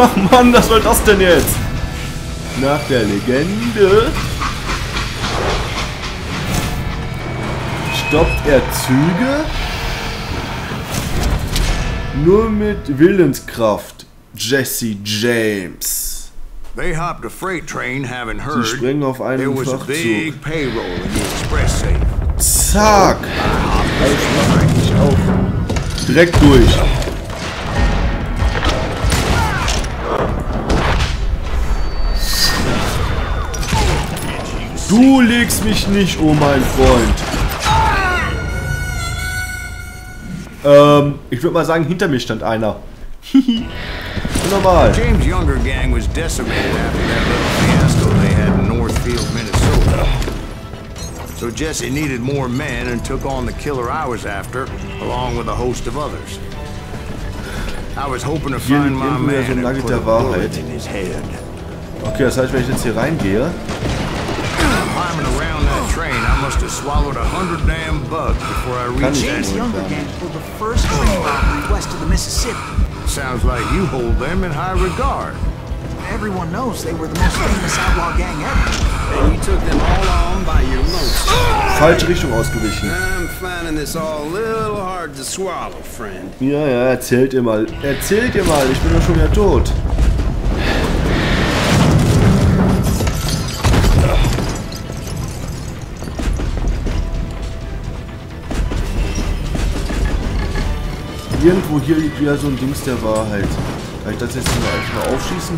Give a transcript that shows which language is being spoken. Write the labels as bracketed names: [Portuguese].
[German] Mann, was soll das denn jetzt? Nach der Legende stoppt er Züge nur mit Willenskraft, Jesse James. [English] They hopped a freight train, having heard. [German] Sie springen auf einen Frachtzug. [English] There was a big payroll in the express safe. [German] Zack! Ich mach eigentlich auf. Direkt durch. Du legst mich nicht um, mein Freund. Ich würde mal sagen, hinter mir stand einer. Normal. [English] James Younger Gang was decimated after that little fiasco they had in Northfield, Minnesota. So Jesse needed more men and took on the killer I was after, along with a host of others. I was hoping to find my man and put a bullet in his head. [German] Okay, das heißt, wenn ich jetzt hier reingehe. [English] Climbing around that train, I must have swallowed 100 damn bugs before I reached James Younger Gang for the first train robbery west of the Mississippi. Sounds like you hold them in high regard. Everyone knows they were the most famous outlaw gang ever. And you took them all on by your lonesome. [German] Falsche Richtung ausgewichen. [English] I'm finding this all a little hard to swallow, friend. [German] Ja, ja, erzählt ihr mal. Erzählt ihr mal, ich bin doch schon wieder tot. Irgendwo hier liegt wieder so ein Dings der Wahrheit. Kann ich das jetzt mal einfach mal aufschießen?